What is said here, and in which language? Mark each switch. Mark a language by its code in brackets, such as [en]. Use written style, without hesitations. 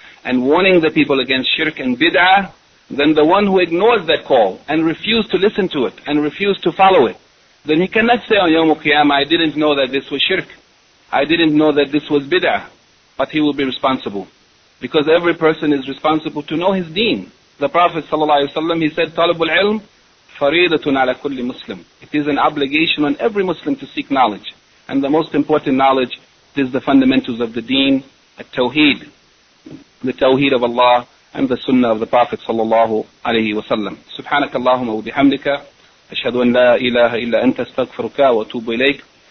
[en] and warning the people against shirk and bid'ah, then the one who ignores that call and refuses to listen to it and refuses to follow it, then he cannot say on Yawm al-Qiyamah, I didn't know that this was shirk, I didn't know that this was bid'ah. But he will be responsible, because every person is responsible to know his deen. The Prophet ﷺ, he said, [ar] طَلَبُ الْعِلْمِ فَرِيدَةٌ عَلَى كُلِّ مُسْلِمٍ. [en] It is an obligation on every Muslim to seek knowledge. And the most important knowledge is the fundamentals of the deen, at-tawheed, the tawheed of Allah and the sunnah of the Prophet ﷺ. [ar] سُبْحَانَكَ اللَّهُمَّ وَبِحَمْدِكَ أشهد أن لا إله إلا أنت استغفرك وأتوب إليك.